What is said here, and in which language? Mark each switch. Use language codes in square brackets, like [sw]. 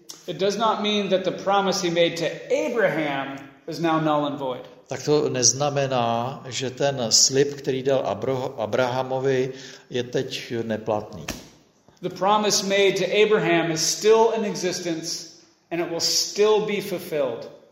[en] it does not mean that the promise he made to Abraham is now null and void. [cs] Tak to neznamená, že ten slib, který dal Abrahamovi, je teď neplatný. [en] The promise made to Abraham is still in existence and it will still be fulfilled.